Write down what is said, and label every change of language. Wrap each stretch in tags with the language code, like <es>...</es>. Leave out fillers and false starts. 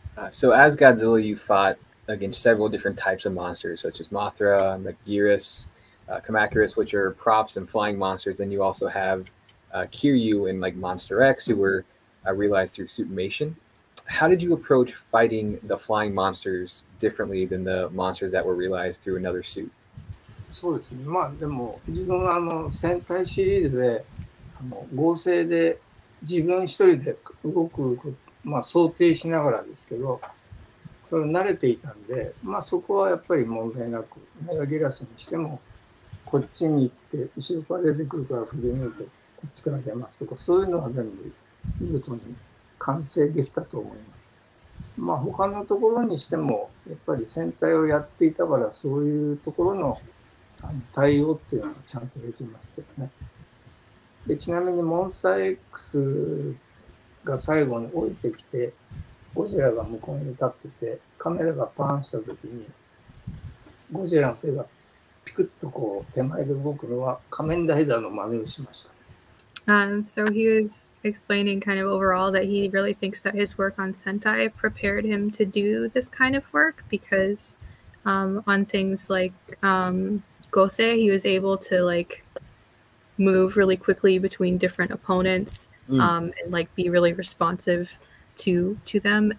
<en>So as Godzilla, you fought against several different types of monsters, such as Mothra, Magirus, Kamakiris, which are props and flying monsters, and you also have Kiryu in like Monster X, who were realized through Supermation. How did you approach fighting the flying monsters differently than the monsters that were realized through another suit?</en> <ja>そうですね。まあでも自分はあの戦隊シリーズであの合成で自分一人で動くこと、まあ、想定しながらですけど、それ慣れていたんで、まあそこはやっぱり問題なく、メガギラスにしてもこっちに行って後ろから出てくるから振り向いてこっちから出ますとか、そういうのは全部見事に完成できたと思います。まあ他のところにしてもやっぱり戦隊をやっていたからそういうところの対応っていうのはちゃんとできますよね。で、ちなみにモンスター X が最後に降りてきて、ゴジラが向こうに立ってて、カメラがパーンした時に、ゴジラの手がピクッとこう手前で動くのは仮面ライダーの真似をしました。</ja> <en>So he was explaining kind of overall that he really thinks that his work on Sentai prepared him to do this kind of work because on things like Gosei, he was able to like move really quickly between different opponents and like be really responsive to them.</en>